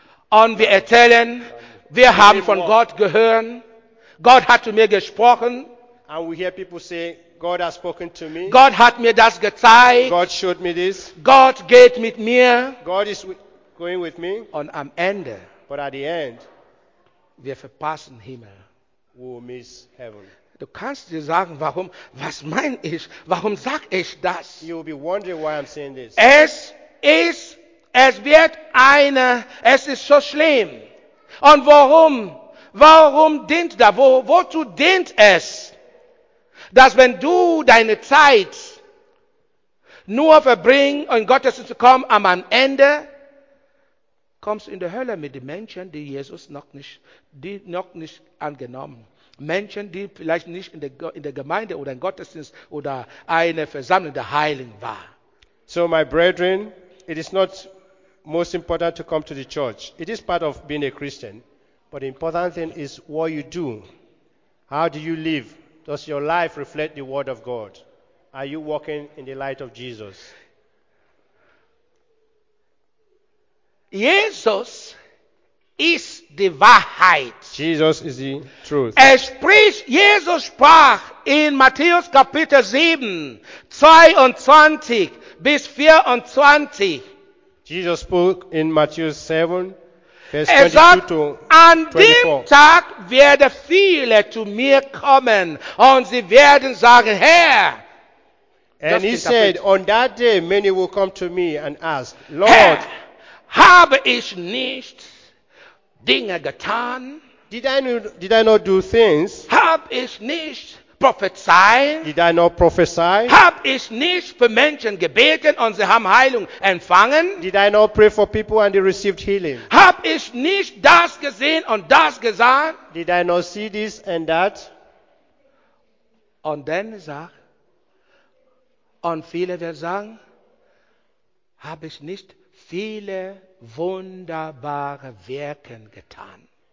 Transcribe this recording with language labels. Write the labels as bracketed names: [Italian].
[German] Und wir erzählen, wir haben von Gott gehört. Gott hat zu mir gesprochen. [English] And we hear people say, God has spoken to me. [German] Gott hat mir das gezeigt. [English] God showed me this. [German] Gott geht mit mir. [English] God is going with me. [German] Und am Ende, [English] but at the end, [German] wir verpassen Himmel. [English] We will miss heaven. [German] Du kannst dir sagen, warum, was mein ich, warum sag ich das? [English] You will be wondering why I'm saying this. [German] Es wird eine, es ist so schlimm. Und warum? Warum dient da? Wozu dient es? Dass wenn du deine Zeit nur verbringst, um in Gottes zu kommen, am Ende kommst du in die Hölle mit den Menschen, die Jesus noch nicht angenommen. Menschen, die vielleicht nicht in der Gemeinde oder im Gottesdienst oder eine Versammlung der Heiligen war. [English] So, my brethren, it is not most important to come to the church. It is part of being a Christian. But the important thing is what you do. How do you live? Does your life reflect the word of God? Are you walking in the light of Jesus? [German] Jesus ist die Wahrheit. [English] Jesus is the truth. [German] Jesus sprach in Matthäus Kapitel 7, 22 bis 24. [English] Jesus spoke in Matthew 7, verse 22 to 24. [German] An dem Tag werden viele zu mir kommen, und sie werden sagen, Herr. [English] And he said, on that day many will come to me and ask, Lord, [German] Herr, habe ich nicht Dinge getan? [English] Did I not do things? [German] Habe ich nicht prophezeit? [English] Did I not prophesy? [German] Habe ich nicht für Menschen gebeten und sie haben Heilung empfangen? [English] Did I not pray for people and they received healing? [German] Habe ich nicht das gesehen und das gesagt? [English] Did I not see this and that? [German] Und dann sagt, und viele werden sagen, habe ich nicht viele wunderbare Werke getan?